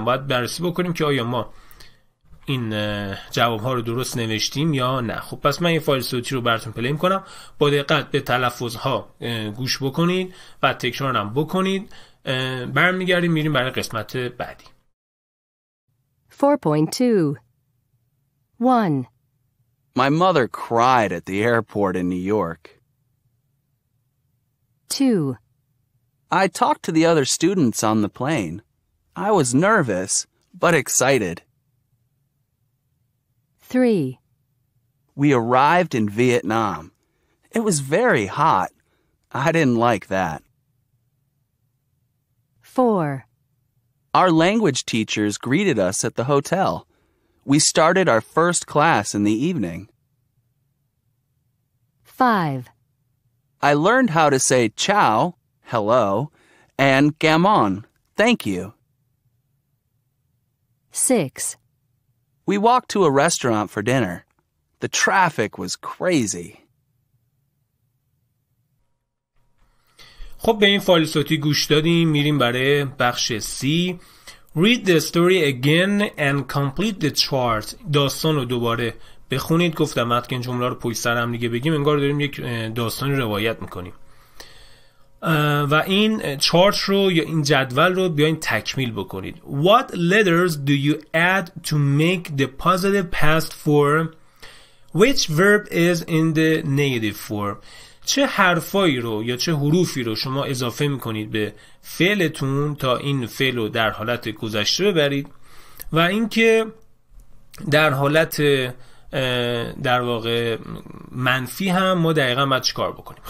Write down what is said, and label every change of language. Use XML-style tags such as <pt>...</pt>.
<fa>باید بررسی بکنیم که آیا ما این جواب ها رو درست نوشتیم یا نه. خب پس من یه فایل صوتی رو براتون پلی میکنم، با دقت به تلفظ ها گوش بکنید و تکرارم بکنید. برمیگردیم میریم برای قسمت بعدی.</fa> <en>4.2 1 My mother cried at the airport in New York. 2. I talked to the other students on the plane. I was nervous, but excited. 3. We arrived in Vietnam. It was very hot. I didn't like that. 4. Our language teachers greeted us at the hotel. We started our first class in the evening. 5. I learned how to say ciao, hello, and gammon, thank you. 6. We walked to a restaurant for dinner. The traffic was crazy.</en> <fa>خب به این فایل صوتی گوش دادیم، میریم برای بخش C.</fa> <en>Read the story again and complete the chart.</en> <fa>داستان رو دوباره بخونید. گفتم وقتی این جمله رو پشت سر هم دیگه بگیم انگار داریم یک داستانی روایت میکنیم. و این چارت رو یا این جدول رو بیاین تکمیل بکنید.</fa> <en>What letters do you add to make the positive past form? Which verb is in the negative form?</en> <fa>چه حرفایی رو یا چه حروفی رو شما اضافه میکنید به فعلتون تا این فعل رو در حالت گذشته ببرید و اینکه در حالت در واقع منفی هم ما دقیقا باید چی کار بکنیم.</fa>